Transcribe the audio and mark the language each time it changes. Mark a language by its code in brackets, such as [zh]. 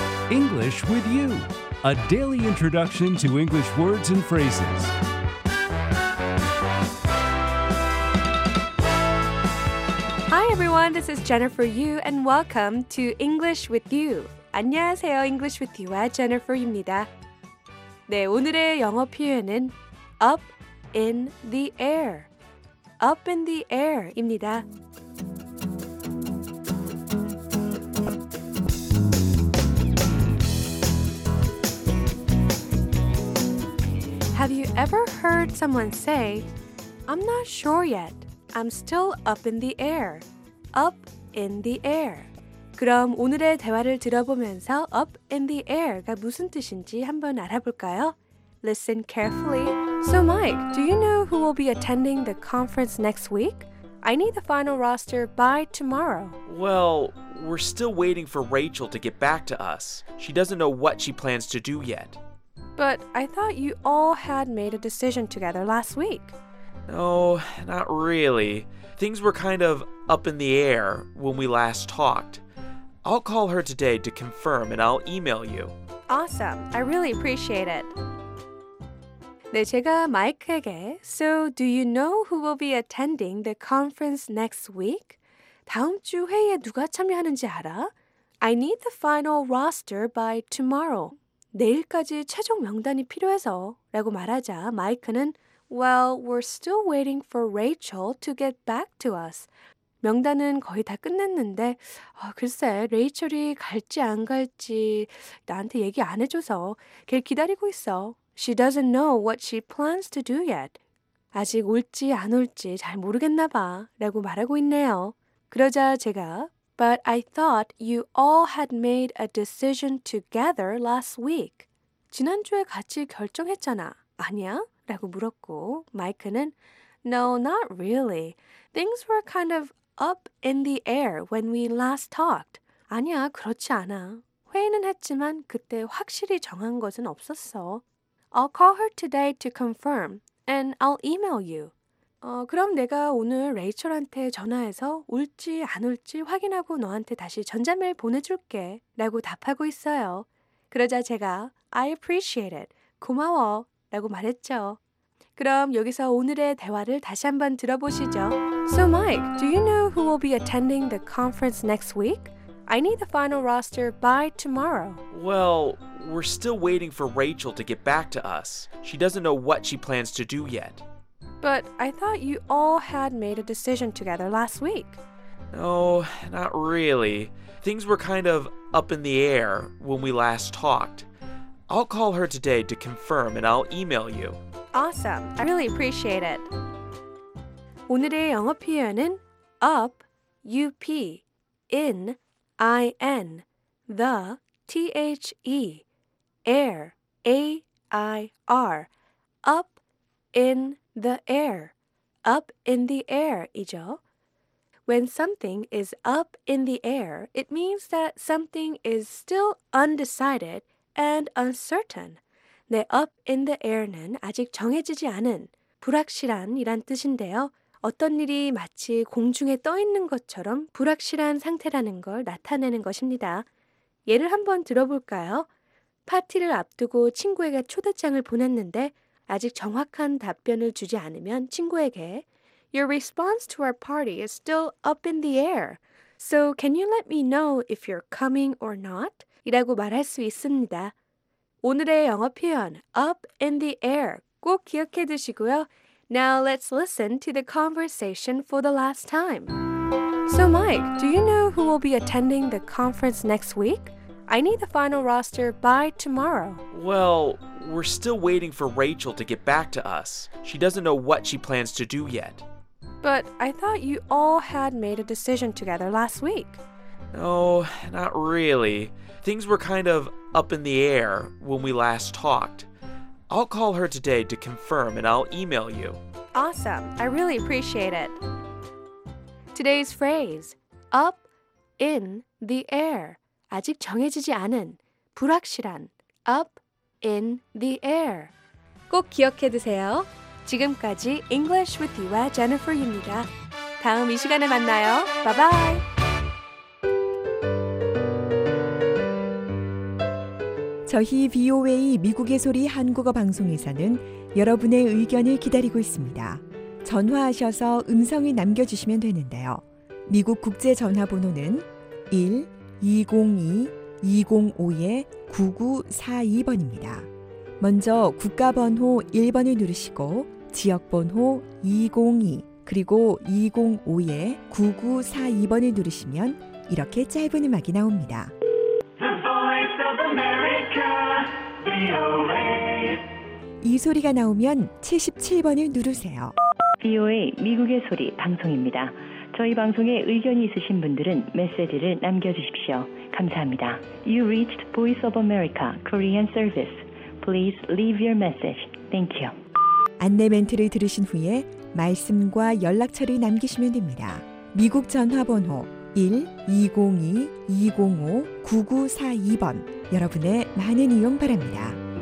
[en] English with you, a daily introduction to English words and phrases. Hi everyone, this is Jennifer Yu and welcome to English with you. [ko] 안녕하세요, English with you와 Jennifer입니다. 네, 오늘의 영어 표현은 up in the air. Up in the air입니다. [en] 'Have you ever heard someone say, I'm not sure yet, I'm still up in the air, up in the air. [ko] 그럼 오늘의 대화를 들어보면서 up in the air가 무슨 뜻인지 한번 알아볼까요? [en] Listen carefully. So Mike, do you know who will be attending the conference next week? I need the final roster by tomorrow. Well, we're still waiting for Rachel to get back to us. She doesn't know what she plans to do yet. But I thought you all had made a decision together last week. No, not really. Things were kind of up in the air when we last talked. I'll call her today to confirm and I'll email you. Awesome. I really appreciate it. [ko] 네, 제가 마이크에게 [en] So, do you know who will be attending the conference next week? [ko] 다음 주 회의에 누가 참여하는지 알아? [en] I need the final roster by tomorrow. [ko] 내일까지 최종 명단이 필요해서 라고 말하자 마이크는 [en] Well, we're still waiting for Rachel to get back to us. [ko] 명단은 거의 다 끝냈는데 글쎄 레이첼이 갈지 안 갈지 나한테 얘기 안 해줘서 걔를 기다리고 있어. [en] She doesn't know what she plans to do yet. [ko] 아직 올지 안 올지 잘 모르겠나 봐 라고 말하고 있네요. 그러자 제가 [en] But I thought you all had made a decision together last week. [ko] 지난주에 같이 결정했잖아. 아니야? 라고 물었고 마이크는 [en] No, not really. Things were kind of up in the air when we last talked. [ko] 아니야, 그렇지 않아. 회의는 했지만 그때 확실히 정한 것은 없었어. [en] I'll call her today to confirm and I'll email you. [ko] 그럼 내가 오늘 레이첼한테 전화해서 올지 안 올지 확인하고 너한테 다시 전자메일 보내줄게 라고 답하고 있어요. 그러자 제가 [en] I appreciate it. [ko] 고마워 라고 말했죠. 그럼 여기서 오늘의 대화를 다시 한번 들어보시죠. [en] So Mike, do you know who will be attending the conference next week? I need the final roster by tomorrow. Well, we're still waiting for Rachel to get back to us. She doesn't know what she plans to do yet. But I thought you all had made a decision together last week. No, not really. Things were kind of up in the air when we last talked. I'll call her today to confirm and I'll email you. Awesome. I really appreciate it. [ko] 오늘의 영어 표현은 up, U-P, in, I-N, the, T-H-E, air, A-I-R, up, in, the air, up in the air이죠. [en] When something is up in the air, it means that something is still undecided and uncertain. [ko] 네, up in the air는 아직 정해지지 않은, 불확실한 이란 뜻인데요. 어떤 일이 마치 공중에 떠 있는 것처럼 불확실한 상태라는 걸 나타내는 것입니다. 예를 한번 들어볼까요? 파티를 앞두고 친구에게 초대장을 보냈는데 아직 정확한 답변을 주지 않으면 친구에게 [en] Your response to our party is still up in the air. So can you let me know if you're coming or not? [ko] 이라고 말할 수 있습니다. 오늘의 영어 표현 up in the air 꼭 기억해 두시고요. [en] Now let's listen to the conversation for the last time. So Mike, do you know who will be attending the conference next week? I need the final roster by tomorrow. Well, we're still waiting for Rachel to get back to us. She doesn't know what she plans to do yet. But I thought you all had made a decision together last week. No, not really. Things were kind of up in the air when we last talked. I'll call her today to confirm and I'll email you. Awesome. I really appreciate it. Today's phrase, up in the air. [ko] 아직 정해지지 않은, 불확실한, [en] up in the air. [ko] 꼭 기억해 두세요. 지금까지 English with you와 Jennifer입니다. 다음 이 시간에 만나요. Bye-bye. 저희 VOA 미국의 소리 한국어 방송에서는 여러분의 의견을 기다리고 있습니다. 전화하셔서 음성을 남겨주시면 되는데요. 미국 국제 전화번호는 1-202-205-9942번입니다. 먼저 국가번호 1번을 누르시고 지역번호 202 그리고 205-9942번을 누르시면 이렇게 짧은 음악이 나옵니다. [en] The Voice of America, VOA. [ko] 이 소리가 나오면 77번을 누르세요. VOA 미국의 소리 방송입니다. 저희 방송에 의견이 있으신 분들은 메시지를 남겨주십시오. 감사합니다. [en] You reached Voice of America Korean Service. Please leave your message. Thank you. [ko] 안내 멘트를 들으신 후에 말씀과 연락처를 남기시면 됩니다. 미국 전화번호 1-202-205-9942번 여러분의 많은 이용 바랍니다.